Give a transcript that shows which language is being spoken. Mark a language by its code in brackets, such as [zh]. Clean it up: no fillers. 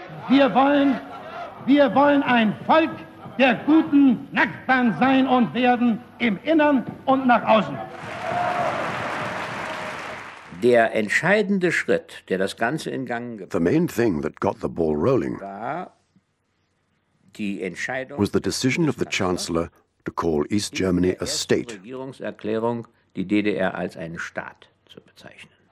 [de] Wir wollen ein Volk der guten Nachbarn sein und werden im Innern und nach außen. Der entscheidende Schritt, der das Ganze in Gang gebracht hat. [en] The main thing that got the ball rolling was the decision of the Chancellor to call East Germany a state. [de] Regierungserklärung, die DDR als einen Staat zu bezeichnen.